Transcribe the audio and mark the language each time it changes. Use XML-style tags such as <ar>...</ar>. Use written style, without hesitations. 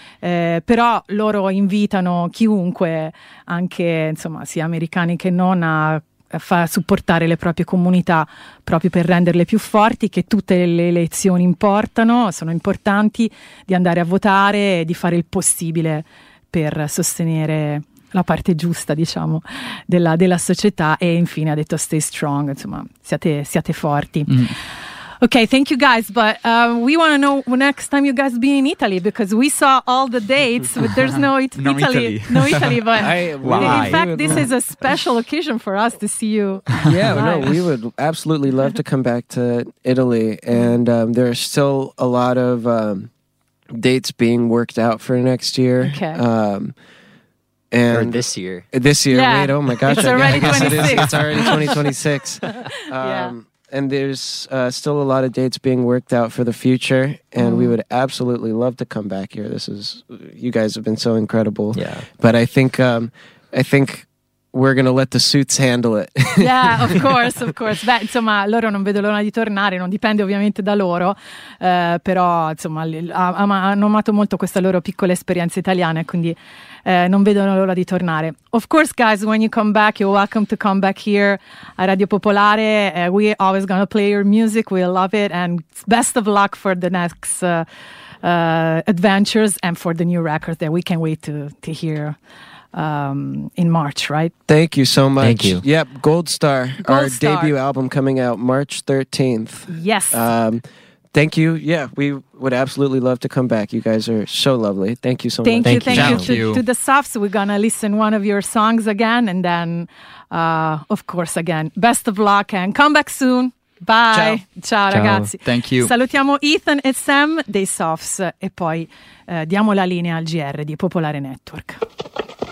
<it>Però loro invitano chiunque, anche insomma, sia americani che non, a supportare le proprie comunità proprio per renderle più forti, che tutte le elezioni importano, sono importanti, di andare a votare e di fare il possibile per sostenere la parte giusta, diciamo, della società. E infine ha detto</it> <en>stay strong,</en> <it>insomma, siate forti.</it> <en>Okay, thank you guys, but we want to know next time you guys be in Italy, because we saw all the dates, but there's no Italy. No Italy. No Italy, but this is a special occasion for us to see you. Yeah, no, we would absolutely love to come back to Italy, and there are still a lot of dates being worked out for next year. Okay. And or this year. This year, yeah. Wait, oh my gosh. It's already 26. It's already 2026. Yeah. And there's still a lot of dates being worked out for the future. And we would absolutely love to come back here. You guys have been so incredible. Yeah. But I think we're going to let the suits handle it. Yeah, of course, of course.</en> <it>Beh, insomma, loro non vedo l'ora di tornare, non dipende ovviamente da loro, però insomma, hanno amato molto questa loro piccola esperienza italiana, quindi non vedono l'ora di tornare.</it> <en>Of course, guys, when you come back, you're welcome to come back here a Radio Popolare. We always going to play your music, we love it, and best of luck for the next adventures and for the new record that we can't wait to hear. in March, right? Thank you so much. Thank you. Yep, Gold Star, our debut album coming out March 13th. Yes. Thank you. Yeah, we would absolutely love to come back. You guys are so lovely. Thank you so much. Thank you. To the Suffs. We're going to listen one of your songs again. And then, of course, again, best of luck and come back soon. Bye.</en> <it>Ciao ragazzi.</it> <en>Thank you.</en> <it>Salutiamo Ethan e Sam dei Suffs e poi diamo la linea al GR di Popolare Network.</it>